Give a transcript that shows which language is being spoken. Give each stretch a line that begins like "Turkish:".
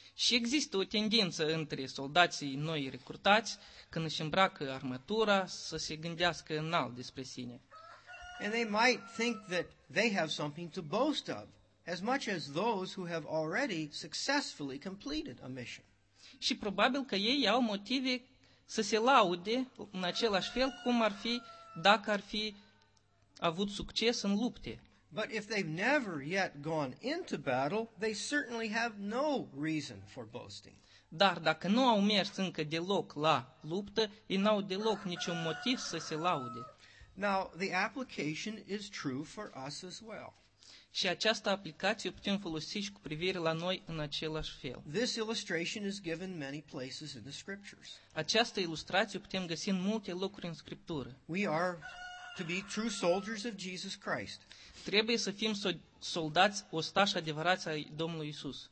Romanian: Și există o tendință între soldații noi recrutați când își îmbracă armătura să se gândească înalt despre sine.
English: And they might think that they have something to boast of as much as those who have already successfully completed a mission.
Romanian: Și probabil că ei au motive să se laude în același fel cum ar fi dacă ar fi avut succes în lupte.
English: But if they've never yet gone into battle, they certainly have no reason for boasting.
Romanian: Dar dacă nu au mers încă deloc la luptă, ei n-au deloc niciun motiv să se laude.
English: Now, the application is true for us as well.
Romanian: Și această aplicație o putem folosi și cu privire la noi în același fel.
English: This illustration is given many places in the scriptures.
Romanian: Această ilustrație o putem găsi în multe locuri în scriptură.
English: We are to be true soldiers of Jesus Christ.
Romanian: Trebuie să fim soldați ostași adevărați ai Domnului Iisus.